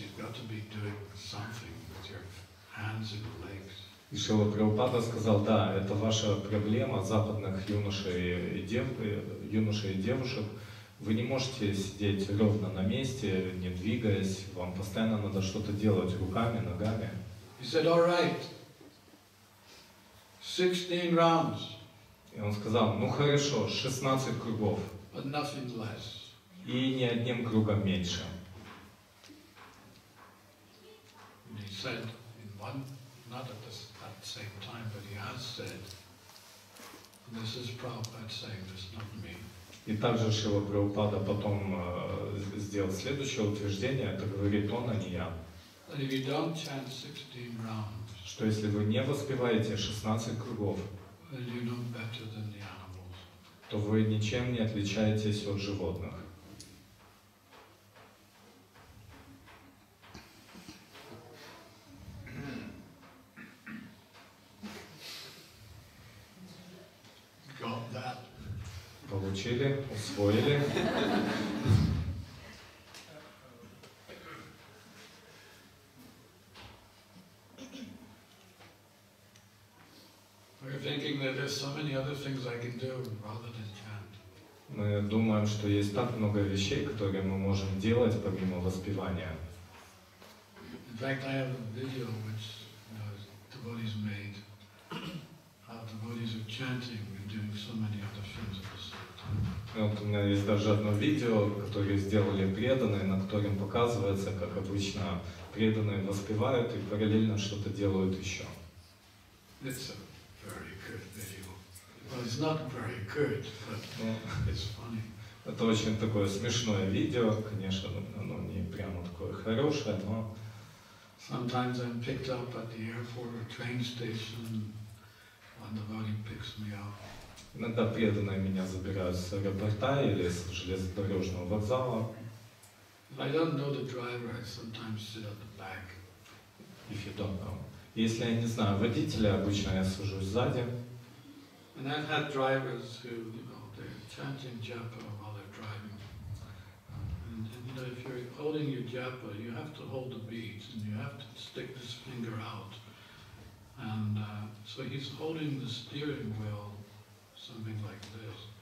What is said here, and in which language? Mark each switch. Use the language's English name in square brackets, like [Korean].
[English] You've got to be doing something with your hands and legs. [Russian] И Шрила Прабхупада сказал, да, это ваша проблема западных юношей и девушек. Вы не можете сидеть ровно на месте, не двигаясь. Вам постоянно надо что-то делать руками, ногами. [English] He said, all right, 16 rounds. [Russian] И он сказал, ну хорошо, 16 кругов. [English] But nothing less. [Russian] И ни одним кругом меньше. [English] And he said, not at the same time, but he has said, this is Prabhupada saying, this is not me. [Russian] И также Шрила Прабхупада потом сделал следующее утверждение, это говорит он, а не я. [English] That if you don't chant 16 rounds, [Russian] что если вы не воспеваете 16 кругов, [English] then you're not better than the animals. [Russian] То вы ничем не отличаетесь от животных. Получили, усвоили. [English] Yeah. thinking that there's so many other things I can do rather than chant. [Russian] Мы думаем, что есть так много вещей, которые мы можем делать помимо воспевания. [English] In fact, I have a video which devotees made. How devotees are chanting and doing so many other things at the same time. [Russian] Вот у меня есть даже одно видео, которое сделали преданные, на котором показывается, как обычно преданные воспевают и параллельно что-то делают еще. [English] It's a very good video. Well, it's not very good, but it's funny. [Russian] Это очень такое смешное видео, конечно, оно не прямо такое хорошее, но. [English] Sometimes I'm picked up at the airport or train station. And the devotee picks me up. [Russian] Иногда преданные меня забирают с аэропорта или с железнодорожного вокзала. [English] I don't know the driver, I sometimes sit at the back. If you don't know. [Russian] Если я не знаю водителя, обычно я сажусь сзади. [English] And I've had drivers who, you know, they're chanting japa while they're driving. And you know, if you're holding your japa, you have to hold the beads and you have to stick this finger out. And so he's holding the steering wheel, something like this.